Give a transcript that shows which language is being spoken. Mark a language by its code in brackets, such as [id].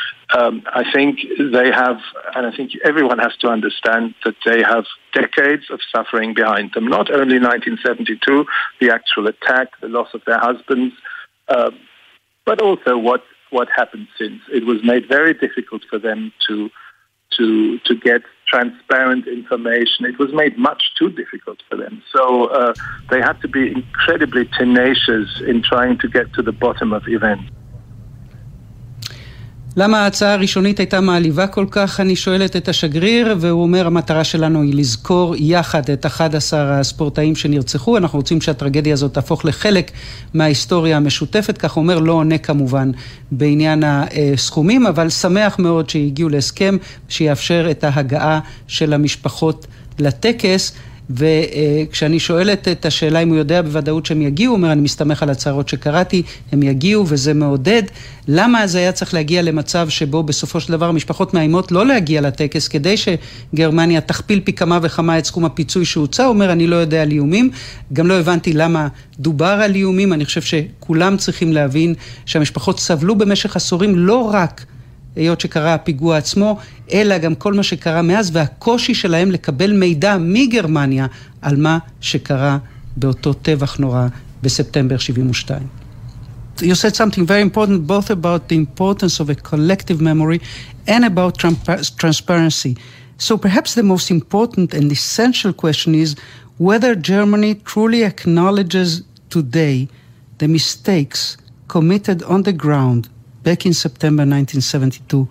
[en] I think they have, and I think everyone has to understand that they have decades of suffering behind them, not only 1972, the actual attack, the loss of their husbands, but also what happened since. It was made very difficult for them to get transparent information. It was made much too difficult for them. So they had to be incredibly tenacious in trying to get to the bottom of events. [he] למה ההצעה הראשונית הייתה מעליבה כל כך? אני שואלת את השגריר, והוא אומר, המטרה שלנו היא לזכור יחד את 11 הספורטאים שנרצחו. אנחנו רוצים שהטרגדיה הזאת תהפוך לחלק מההיסטוריה המשותפת. כך אומר, לא עונה כמובן בעניין הסכומים, אבל שמח מאוד שהגיעו להסכם, שיאפשר את ההגעה של המשפחות לטקס. וכשאני שואלת את השאלה אם הוא יודע בוודאות שהם יגיעו, אומר, אני מסתמך על הצהרות שקראתי, הם יגיעו וזה מעודד. למה אז היה צריך להגיע למצב שבו בסופו של דבר המשפחות מאיימות לא להגיע לטקס, כדי שגרמניה תכפיל פי כמה וכמה את סכום הפיצוי שהוצע? הוא אומר, אני לא יודע על איומים, גם לא הבנתי למה דובר על איומים. אני חושב שכולם צריכים להבין שהמשפחות סבלו במשך עשורים, לא רק היות שקרה הפיגוע עצמו, אלא גם כל מה שקרה מאז, והקושי שלהם לקבל מידע מגרמניה על מה שקרה באותו טבח נורא בספטמבר 72. [en] You said something very important, both about the importance of a collective memory and about transparency. So perhaps the most important and essential question is whether Germany truly acknowledges today the mistakes committed on the ground back in September 1972,